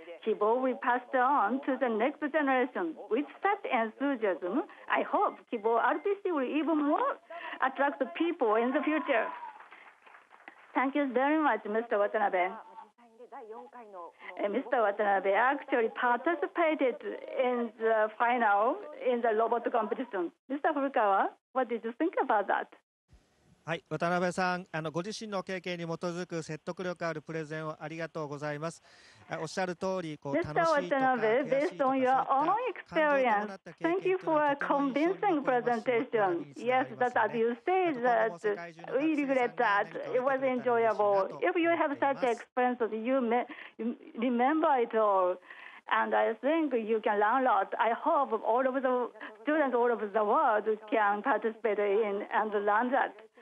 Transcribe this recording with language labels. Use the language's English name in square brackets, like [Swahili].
[English] Kibo will pass on to the next generation. With such enthusiasm, I hope Kibo RPC will even more attract people in the future. Thank you very much, Mr. Watanabe. Mr. Watanabe actually participated in the final in the robot competition. Mr. Furukawa, what did you think about that? [Japanese] はい、渡辺さん、ご自身の経験に基づく説得力あるプレゼンをありがとうございます。おっしゃる通り、こう楽しいとか悔しいとか、そういった感情どうなった経験というのは、 [English] Thank you for a convincing presentation. Yes, that as you say that we regret that it was enjoyable. If you have such experiences, you remember it all. And I think you can learn a lot. I hope all of the students all over the world can participate in and learn that.